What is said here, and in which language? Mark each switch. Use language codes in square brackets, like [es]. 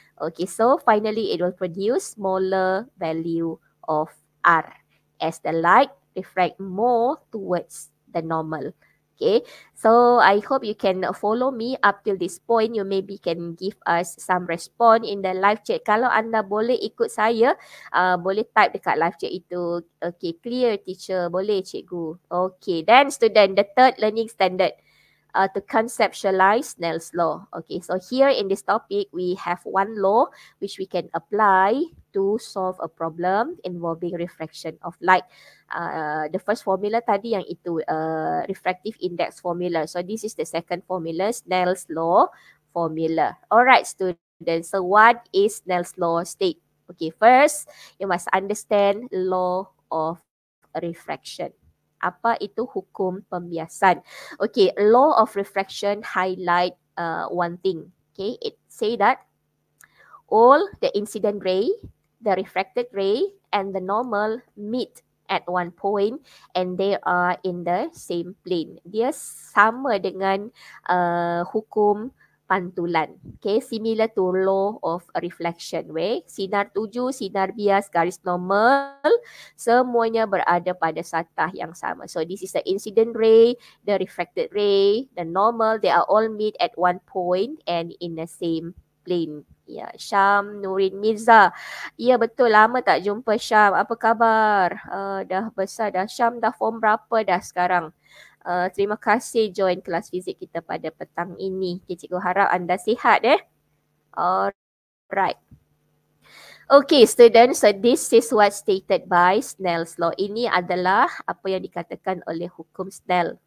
[en] Okay, so finally, it will produce smaller value of R as the light refract more towards the normal. Okay, so I hope you can follow me up till this point. You maybe can give us some response in the live chat. [ms] Kalau anda boleh ikut saya, boleh type dekat live chat itu. [en] Okay, clear teacher. [ms] Boleh cikgu. [en] Okay, then student, the third learning standard. To conceptualize Snell's law. Okay, so here in this topic, we have one law which we can apply to solve a problem involving refraction of light. The first formula [ms] tadi yang itu, [en] refractive index formula. So this is the second formula, Snell's law formula. All right, students. So what is Snell's law state? Okay, first, you must understand law of refraction. [ms] Apa itu hukum pembiasan? [en] Okay, law of refraction highlight one thing. Okay, it say that all the incident ray, the refracted ray, and the normal meet at one point and they are in the same plane. [ms] Dia sama dengan hukum pantulan. [en] Okay, similar to law of reflection. [ms] Okay, sinar tuju, sinar bias, garis normal, semuanya berada pada satah yang sama. [en] So, this is the incident ray, the refracted ray, the normal, they are all meet at one point and in the same plane. [ms] Yeah, Syam, Nurin, Mirza. Yeah, betul, lama tak jumpa Syam. Apa khabar? Dah besar dah. Syam dah form berapa dah sekarang? Terima kasih join kelas fizik kita pada petang ini. Okay, cikgu harap anda sihat eh. Alright. [en] Okay, students, so this is what stated by Snell's law. [ms] Ini adalah apa yang dikatakan oleh hukum Snell.